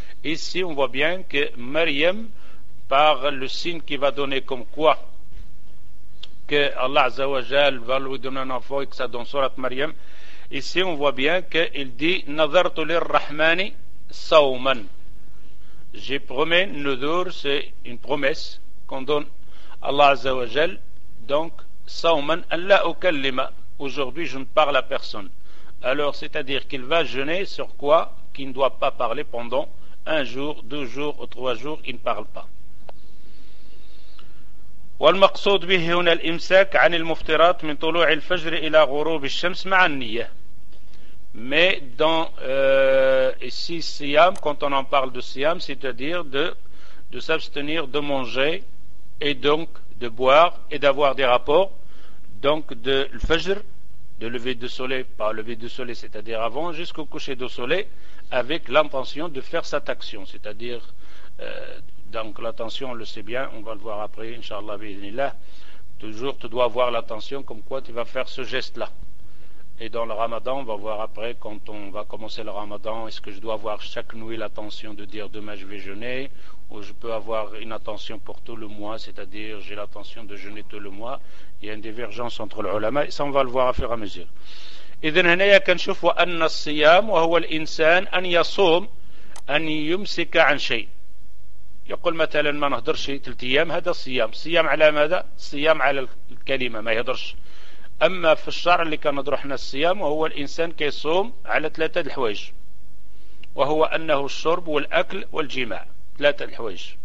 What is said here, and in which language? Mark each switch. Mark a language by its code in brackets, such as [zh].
[fr] Ici on voit bien que Maryam, par le signe qu'il va donner comme quoi que Allah Azza wa Jal va lui donner un enfant et que ça dans Sourate Maryam, ici on voit bien qu'il dit [ar] nadhartu lirrahmani sawman, [fr] j'ai promis, nudur c'est une promesse qu'on donne Allah Azza wa Jal, donc [ar] sawman alla ukallima, [fr] aujourd'hui je ne parle à personne. Alors c'est-à-dire qu'il va jeûner sur quoi? Qu'il ne doit pas parler pendant un jour, deux jours ou trois jours, il ne parle pas. [ar] والمقصود به هنا الامساك عن المفطرات من طلوع الفجر الى غروب الشمس مع النية. [fr] Mais dans ici siyam, quand on en parle de siyam, c'est-à-dire de s'abstenir de manger et donc de boire et d'avoir des rapports donc de l'fajr, de lever du soleil, pas lever du soleil, c'est-à-dire avant, jusqu'au coucher du soleil, avec l'intention de faire cette action, c'est-à-dire, donc l'attention, on le sait bien, on va le voir après, inshallah, bi'idhnillah, toujours tu dois avoir l'attention comme quoi tu vas faire ce geste-là. Et dans le ramadan, on va voir après, quand on va commencer le ramadan, est-ce que je dois avoir chaque nuit l'attention de dire demain je vais jeûner, ou je peux avoir une attention pour tout le mois, c'est-à-dire j'ai l'attention de jeûner tout le mois. Il y a une divergence entre les ulama, et ça on va le voir à fur et à mesure. [ar] إذن هنا كنشوف أن الصيام وهو الإنسان أن يصوم أن يمسك عن شيء. يقول مثلا ما نهدرش ثلاث أيام هذا صيام. صيام على ماذا؟ صيام على الكلمة ما يهدرش. أما في الشرع اللي كنهدروا حنا الصيام وهو الإنسان كيصوم على ثلاثة الحوايج، وهو أنه الشرب والأكل والجماع، ثلاثة الحوايج.